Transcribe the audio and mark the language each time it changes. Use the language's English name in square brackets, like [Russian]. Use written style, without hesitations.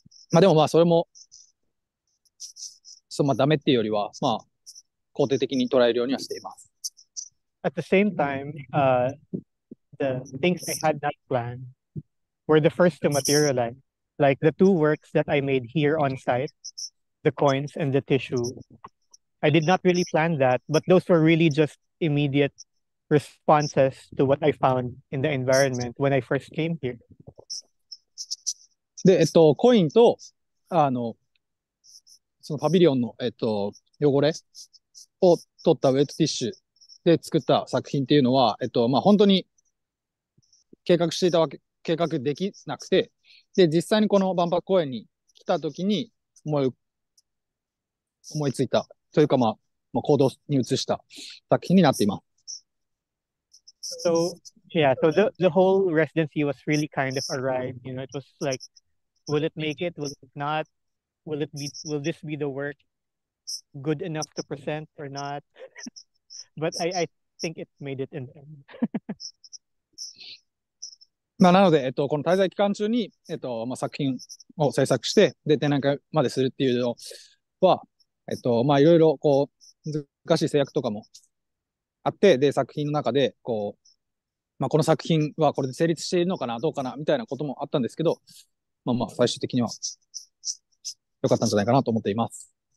[Japanese] まあでもまあそれも、そう、まあダメっていうよりは、まあ肯定的に捉えるようにはしています。 [English] At the same time, the things I had not planned were the first to materialize, like the two works that I made here on site, the coins and the tissue. I did not really plan that, but those were really just immediate responses to what I found in the environment when I first came here. [Japanese] で、コインと、あの、そのパビリオンの、汚れを取ったウェットティッシュで作った作品っていうのは、まあ、本当に計画していたわけ、計画できなくて、で、実際にこの万博公園に来たときに思いついた、というか、まあ、まあ、行動に移した作品になっています。 [English] So, yeah, so the whole residency was really kind of a ride. You know, it was like, will it make it? Will it not? Will this be the work good enough to present or not? But I think it made it in the end. [Japanese] まあなので、この滞在期間中に、まあ、作品を制作して、で、展覧会までするっていうのは、まあ、いろいろこう難しい制約とかもあって、で、作品の中でこう、まあ、この作品はこれで成立しているのかな、どうかな、みたいなこともあったんですけど、まあまあ、最終的には良かったんじゃないかなと思っています。